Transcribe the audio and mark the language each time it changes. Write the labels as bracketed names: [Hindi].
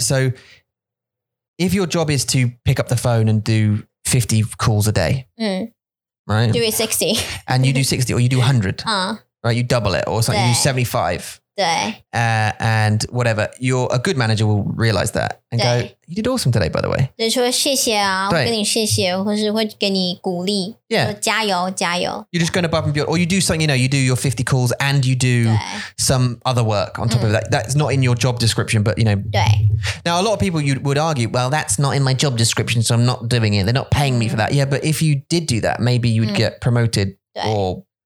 [English] So if your job is to pick up the phone and do 50 calls a day, right? Do it 60. And you do 60 or you do 100, right? You double it or something, you do 75. [Chinese] 对. [English] And whatever, a good manager will realize that and go, you did awesome today, by the way. [Chinese] 就说谢谢啊,我跟你谢谢,或是会给你鼓励, 加油,加油. [English] You're just going above and beyond, or you do something, you know, you do your 50 calls and you do some other work on top of that. That's not in your job description, but you know. [Chinese] 对. [English] Now, a lot of people would argue, well, that's not in my job description, so I'm not doing it. They're not paying me for that. Yeah, but if you did do that, maybe you'd get promoted or...